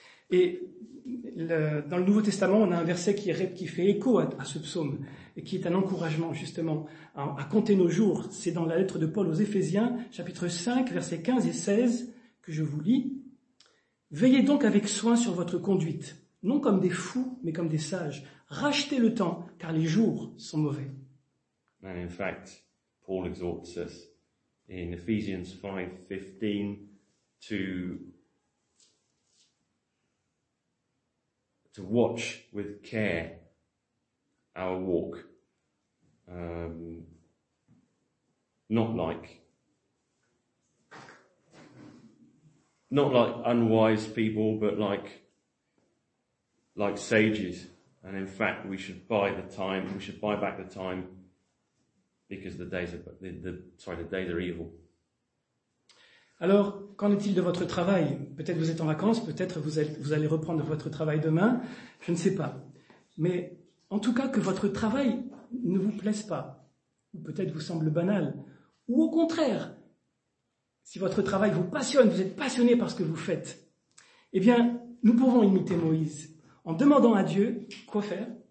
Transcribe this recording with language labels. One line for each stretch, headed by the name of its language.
French: Et dans le Nouveau Testament, on a un verset qui fait écho à ce psaume et qui est un encouragement justement à compter nos jours. C'est dans la lettre de Paul aux Éphésiens, chapitre 5, versets 15 et 16, que je vous lis. « Veillez donc avec soin sur votre conduite, non comme des fous, mais comme des sages. Rachetez le temps, car les jours sont mauvais. »
English: And in fact, Paul exhorts us in Ephesians 5:15 to watch with care our walk, not like unwise people, but like sages. And in fact, we should buy the time. We should buy back the time, because the days are evil.
French: Alors, qu'en est-il de votre travail? Peut-être vous êtes en vacances, peut-être vous allez reprendre votre travail demain, je ne sais pas. Mais en tout cas, que votre travail ne vous plaise pas, ou peut-être vous semble banal, ou au contraire, si votre travail vous passionne, vous êtes passionné par ce que vous faites, eh bien, nous pouvons imiter Moïse en demandant à Dieu, quoi faire?